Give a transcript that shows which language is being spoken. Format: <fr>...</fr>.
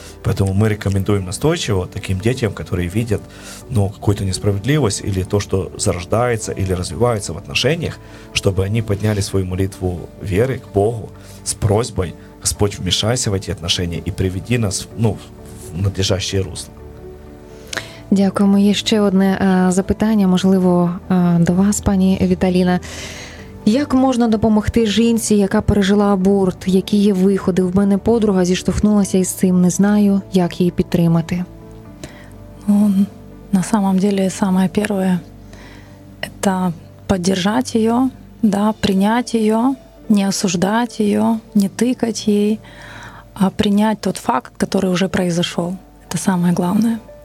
<ru>Поэтому мы рекомендуем настойчиво таким детям, которые видят, ну, какую-то несправедливость или то, что зарождается или развивается в отношениях, чтобы они подняли свою молитву веры к Богу с просьбой: «Господь, вмешайся в эти отношения и приведи нас, ну, в надлежащее русло».</ru> <uk>Дякуємо. Є ще одне запитання, можливо, до вас, пані Віталіна. Як можна допомогти жінці, яка пережила аборт? Які є виходи? В мене подруга зіштовхнулася із цим, не знаю, як її підтримати.</uk> <ru>Ну, на самом деле, самое первое это поддержать её, да, принять её, не осуждать её, не тыкать ей, а принять тот факт, который уже произошёл. Это самое главное.</ru>